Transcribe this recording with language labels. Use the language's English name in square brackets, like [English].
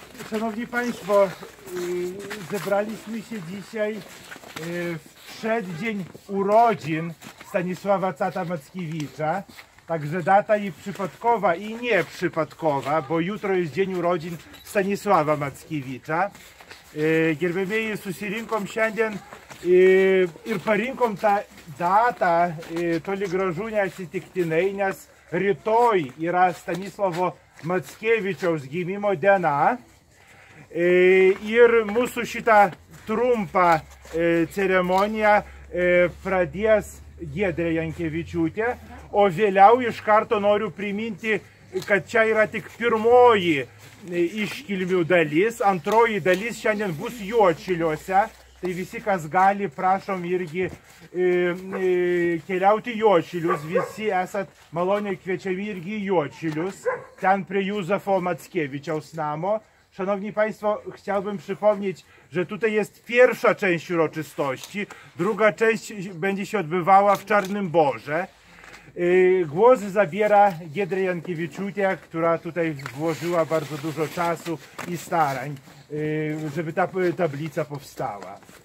[Polish] Szanowni Państwo, zebraliśmy się dzisiaj w przeddzień urodzin Stanisława Cata Mackiewicza. Także data i przypadkowa, i nieprzypadkowa, bo jutro jest dzień urodzin Stanisława Mackiewicza. [Lithuanian] Gerbiamieji, susirinkom šiandien ir parinkom tą datą toli gražu neatsitiktinai, nes rytoj yra Stanislovo Mackiewiczaus gimimo diena. Ir mūsų šitą trumpą ceremoniją pradės Giedrė Jankevičiūtė, o vėliau iš karto noriu priminti, kad čia yra tik pirmoji iškilmių dalis, antroji dalis šiandien bus Juodšiliuose, tai visi, kas gali, prašom irgi keliauti Juodšilius, visi esat maloniai kviečiami irgi Juodšilius, ten prie Juzefo Mackiewiczaus namo. [Polish] Szanowni Państwo, chciałbym przypomnieć, że tutaj jest pierwsza część uroczystości, druga część będzie się odbywała w Czarnym Boże. Głos zabiera Giedrę Jankiewiczutę, która tutaj włożyła bardzo dużo czasu i starań, żeby ta tablica powstała.